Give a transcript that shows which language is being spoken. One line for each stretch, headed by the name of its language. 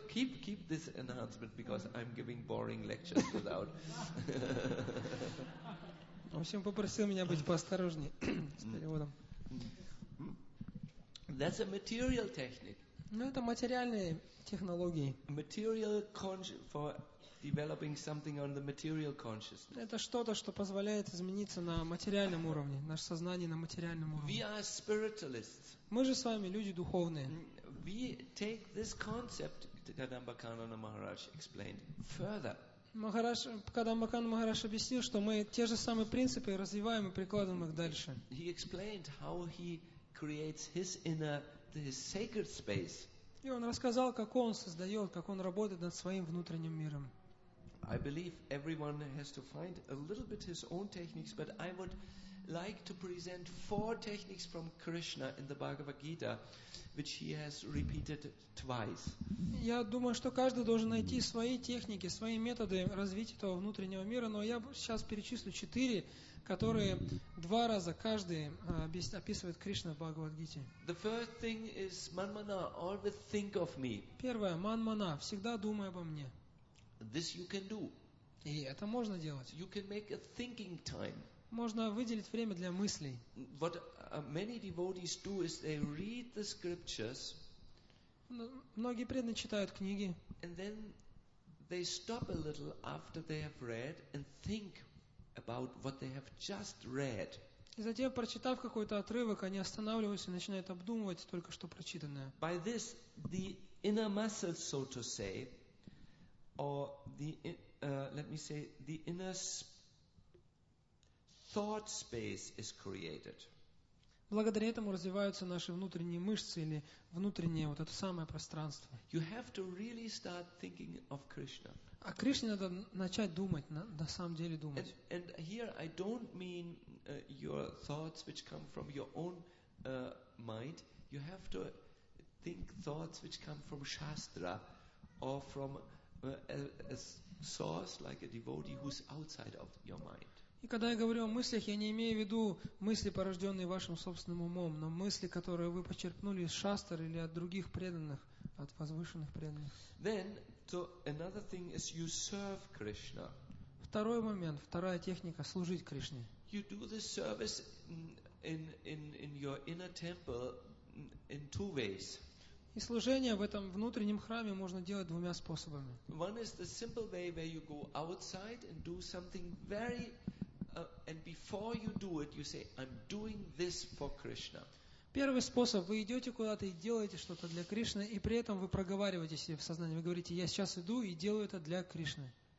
English: Keep this enhancement because I'm giving boring lectures without.
Russian: В общем, попросил меня быть поосторожнее с переводом.
English: That's a material technique.
Russian: Ну, это материальные технологии.
English: Material for developing something on the material consciousness.
Russian: Это что-то, что позволяет измениться на материальном уровне, наше сознание на материальном уровне.
English: We are spiritualists.
Russian: Мы же с вами люди духовные.
English: We take this concept, Kadamba Kanana Maharaj explained, further.
Russian: Кадамба Кананда Махарадж объяснил, что мы те же самые принципы развиваем и прикладываем их дальше.
English: He explained how he creates his sacred space.
Russian: И он рассказал, как он создает, как он работает над своим внутренним миром.
English: I believe everyone has to find a little bit his own techniques, but I would like to present four techniques from Krishna in the Bhagavad Gita, which he has repeated twice.
Russian: Я думаю, что каждый должен найти свои техники, свои методы развития этого внутреннего мира, но я сейчас перечислю четыре, которые два раза каждый описывает Кришна в Бхагавад Гите.
English: The first thing is Manmana, always think of me.
Russian: Первое, Манмана, всегда думай обо мне.
English: This you can do.
Russian: И это можно делать.
English: You can make a thinking time.
Russian: Можно выделить время для мыслей.
English: What many devotees do is they read the scriptures.
Russian: Многие преданные читают книги.
English: And then they stop a little after they have read and think about what they have just read.
Russian: И затем, прочитав какой-то отрывок, они останавливаются и начинают обдумывать только что прочитанное.
English: By this, the inner muscles, so to say, or the let me say the inner thought space is created.
Russian: Благодаря этому развиваются наши внутренние мышцы или внутреннее вот это самое пространство.
English: You have to really start thinking of Krishna.
Russian: О Кришне надо начать думать, на самом деле думать.
English: And here I don't mean your thoughts which come from your own mind. You have to think thoughts which come from Shastra or from a source like a devotee who's outside of your mind.
Russian: И когда я говорю о мыслях, я не имею в виду мысли, порожденные вашим собственным умом, но мысли, которые вы почерпнули из шастр или от других преданных, от возвышенных преданных.
English: Then, so another thing is you serve Krishna.
Russian: Второй момент, вторая техника — служить Кришне.
English: You do this service in your inner temple in two ways.
Russian: И служение в этом внутреннем храме можно делать двумя способами.
English: One is the simple way where you go outside and do something very and before you do it, you say, I'm doing this for Krishna.
Russian: Первый способ. Вы идете куда-то и делаете что-то для Кришны, и при этом вы проговариваете себе в сознании. Вы говорите, я сейчас иду и делаю это для Кришны.